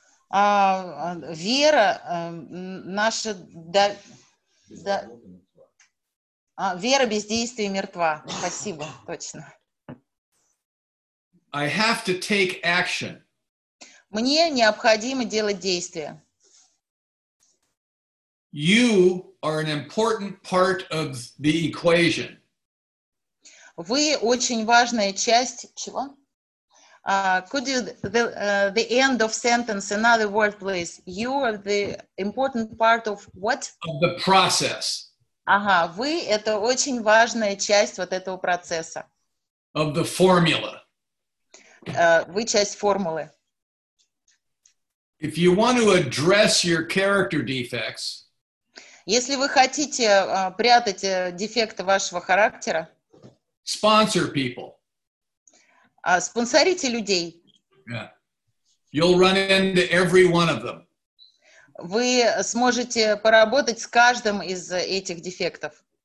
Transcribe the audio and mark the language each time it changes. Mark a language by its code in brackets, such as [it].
[ru] Вера без действий мертва. Спасибо, точно. [en] I have to take action. [ru] Мне необходимо делать действия. [en] You are an important part of the equation. [ru] Вы очень важная часть чего? [en] Could you the end of sentence, another word, please? You are the important part of what? Of the process. [ru] Ага, вы это очень важная часть вот этого процесса. [en] Of the formula. [ru] Вы часть формулы. [en] If you want to address your character defects, [ru] если вы хотите прятать дефекты вашего характера, [en] sponsor people. [ru] Спонсорите людей. [en] Yeah. You'll run into every one of them. [ru] Вы сможете поработать с каждым из этих дефектов.